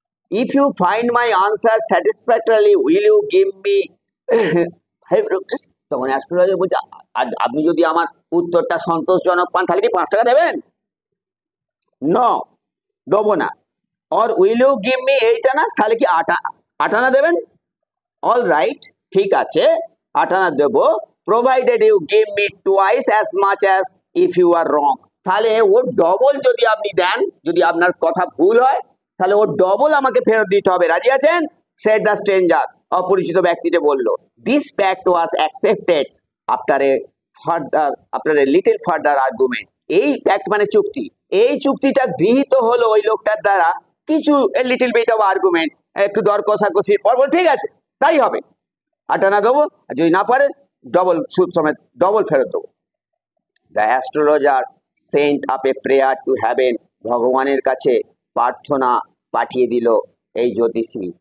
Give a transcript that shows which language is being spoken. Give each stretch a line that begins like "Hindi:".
English: if you find my answer satisfactorily will you give me five rupees,
Bangla: তখন astrologer বলছে আর আপনি যদি আমার উত্তরটা সন্তোষজনক পান তাহলে কি 5 টাকা দেবেন, না দেবো না, আর
English: will you give me 8 annas
Bangla: তাহলে কি 8 আনা দেবেন,
English: All right,
Bangla: ঠিক আছে, আটানা দেব,
English: provided you give me twice as much as if you are wrong.
Bangla: তাহলে ও ডবল যদি আপনি দেন, যদি আপনার কথা ভুল হয়, তাহলে ও ডবল আমাকে ফেরত দিতে হবে, রাজি আছেন?
English: Said the stranger,
Bangla: অপরিচিত ব্যক্তিটা বললো.
English: This fact was accepted after a further, after a little further argument.
Bangla: এই fact মানে চুক্তি, এই চুক্তিটা গৃহীত হলো ওই লোকটার দ্বারা কিছু
English: a little bit of argument,
Bangla: একটু দর কষাকষি পর্ব, ঠিক আছে তাই হবে, আটানা দেবো, যদি না পারে ডবল সুদ সমেত ডবল ফেরত দেবো.
English: the astrologer sent up a prayer to heaven,
Bangla: ভগবানের কাছে প্রার্থনা পাঠিয়ে দিল এই জ্যোতিষী.